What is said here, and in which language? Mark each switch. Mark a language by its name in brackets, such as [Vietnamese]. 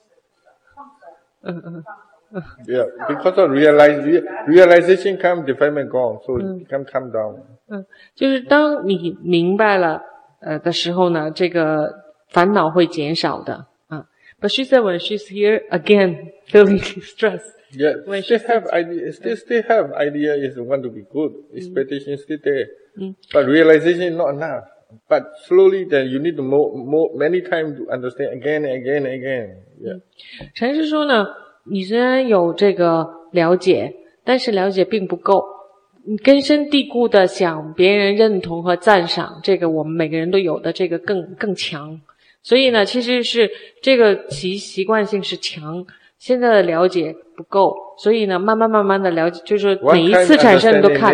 [Chinese] 陈说是这个就是说观察了解整个过程这个现象整个过程而通过观察你了解了心就是表面是紧张背后它的原因是什么。 [English] Yeah, because of realization come, defilement gone, so it become calm down. [Chinese] 就是当你明白了的时候呢，这个烦恼会减少的。 [English] But she said when she's here again, feeling stressed. Yes, when still have idea. Still have idea. Is want to be good. Expectation still there. But realization not enough. But slowly, then you need to more many times to understand again and again and again. Yeah. [Chinese] 陈师说呢，你虽然有这个了解，但是了解并不够。你根深蒂固的想别人认同和赞赏，这个我们每个人都有的这个更强。所以呢，其实是这个习惯性是强，现在的了解不够，所以呢，慢慢的了解，就是每一次产生都看。